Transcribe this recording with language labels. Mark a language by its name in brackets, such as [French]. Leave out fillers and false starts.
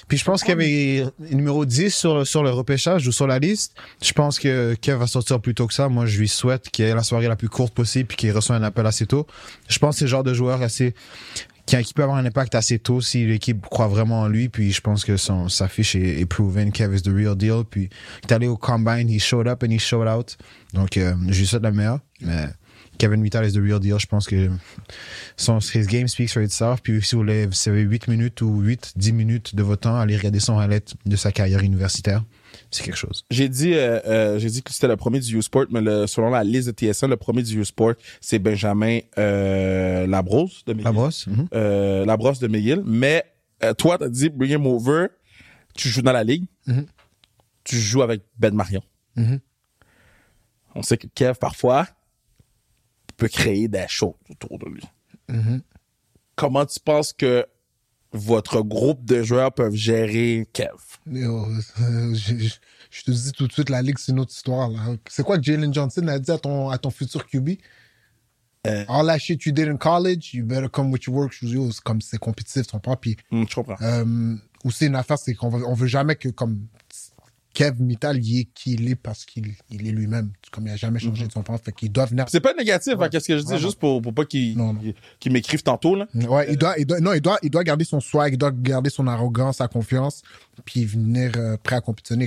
[French] Puis je pense qu'il y avait numéro 10 sur le repêchage ou sur la liste. Je pense que Kev va sortir plus tôt que ça. Moi, je lui souhaite qu'il ait la soirée la plus courte possible puis qu'il reçoive un appel assez tôt. Je pense que c'est le genre de joueur assez... qui peut avoir un impact assez tôt si l'équipe croit vraiment en lui. Puis je pense que sa fiche est proven. [English] Kev is the real deal. [French] Puis il est allé au combine, [English] he showed up and he showed out. [French] Donc je lui souhaite la meilleure. [English] Mais Kevin Mitchell is the real deal. [French] Je pense que [English] his game speaks for itself. [French] Puis si vous avez 8 minutes ou 8, 10 minutes de votre temps, allez regarder son highlight de sa carrière universitaire. C'est quelque chose. J'ai dit que c'était le premier du U-Sport, mais selon la liste de TSN, le premier du U-Sport, c'est Benjamin Labrosse de McGill. Labrosse de McGill. Mais toi, t'as dit [English] bring him over, [French] tu joues dans la ligue, tu joues avec Ben Marion. Mm-hmm. On sait que Kev, parfois, peut créer des choses autour de lui. Mm-hmm. Comment tu penses que votre groupe de joueurs peuvent gérer Kev? Yo, je te dis tout de suite, la Ligue, c'est une autre histoire. Là. C'est quoi que Jalen Johnson a dit à ton futur QB? [English] All that shit you did in college, you better come with your work. [French] Yo, c'est comme c'est compétitif, ton papi. Je comprends. Aussi, une affaire, c'est qu'on veut jamais que comme Kev Mitchell y ait qui il est parce qu'il est lui-même. Comme il n'a jamais changé de son pensée, fait qu'il doit venir. C'est pas négatif, ouais. Qu'est-ce que je dis, juste pour pas qu'il m'écrive tantôt, là. Ouais, il doit garder son swag, il doit garder son arrogance, sa confiance, puis venir prêt à compétitionner.